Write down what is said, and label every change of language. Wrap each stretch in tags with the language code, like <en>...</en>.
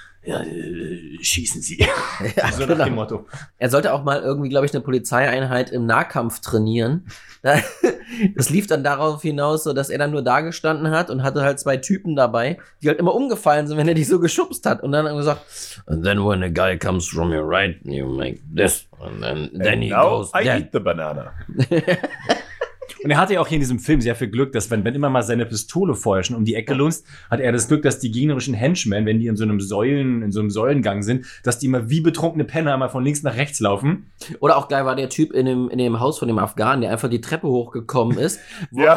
<de>Ja, schießen sie. Ja, so genau. Nach dem Motto. Er sollte auch mal irgendwie, glaube ich, eine Polizeieinheit im Nahkampf trainieren. Das lief dann darauf hinaus, so dass er dann nur da gestanden hat und hatte halt zwei Typen dabei, die halt immer umgefallen sind, wenn er die so geschubst hat. Und dann gesagt,</de> <en>and then when a guy comes from your right, you make this. And then he goes, I eat the banana.</en> <de>Und er hatte ja auch hier in diesem Film sehr viel Glück, dass wenn Ben immer mal seine Pistole vorher schon um die Ecke lunst, hat er das Glück, dass die gegnerischen Henchmen, wenn die in so einem Säulen, in so einem Säulengang sind, dass die immer wie betrunkene Penner mal von links nach rechts laufen. Oder auch geil war der Typ in dem Haus von dem Afghanen, der einfach die Treppe hochgekommen ist, wo ja.</de>